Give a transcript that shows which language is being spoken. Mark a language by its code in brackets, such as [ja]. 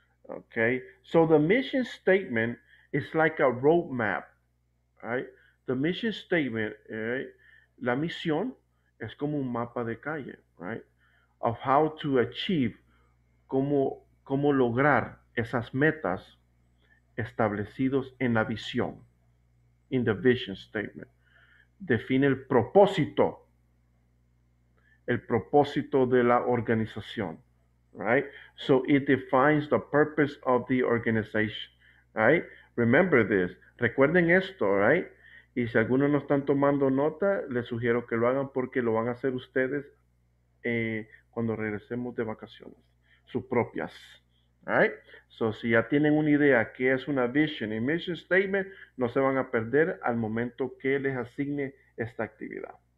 [en] Okay, so the mission statement is like a roadmap, right? The mission statement, right? [es] La misión es como un mapa de calle, right? [en] Of how to achieve, [es] cómo lograr esas metas establecidos en la visión. [en] In the vision statement, [es] define el propósito de la organización, right? [en] So it defines the purpose of the organization, right? Remember this, [es] recuerden esto, [en] right? [es] Y si algunos no están tomando nota, les sugiero que lo hagan porque lo van a hacer ustedes cuando regresemos de vacaciones, sus propias. Alright, so si ya tienen una idea qué es una vision y mission statement, no se van a perder al momento que les asigne esta actividad.